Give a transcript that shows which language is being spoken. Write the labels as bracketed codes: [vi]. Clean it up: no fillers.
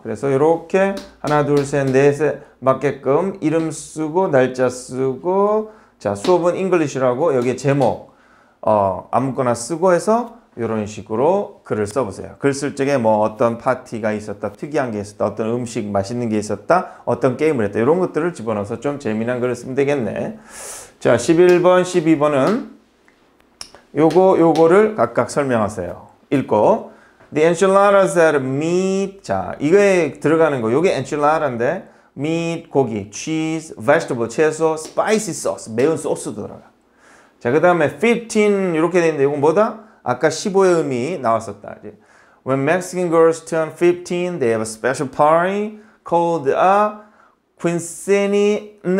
[ko] 그래서 이렇게 하나, 둘, 셋, 넷에 맞게끔 이름 쓰고 날짜 쓰고 자, 수업은 English라고 여기에 제목 아무거나 쓰고 해서 이런 식으로 글을 써보세요. 글 쓸 적에 뭐 어떤 파티가 있었다, 특이한 게 있었다, 어떤 음식 맛있는 게 있었다, 어떤 게임을 했다 이런 것들을 집어넣어서 좀 재미난 글을 쓰면 되겠네. 자, 11번, 12번은 요거 요거를 각각 설명하세요. [en] 읽고 The enchiladas had meat. [ko] 자, 이거에 들어가는 거 요게 enchilada인데 meat, 고기, cheese, vegetable, 채소, spicy sauce, 매운 소스 들어가. 자, 그 다음에 15 이렇게 돼 있는데 이건 뭐다? 아까 15의 의미 나왔었다. [en] When Mexican girls turn 15 they have a special party called a quinceañera.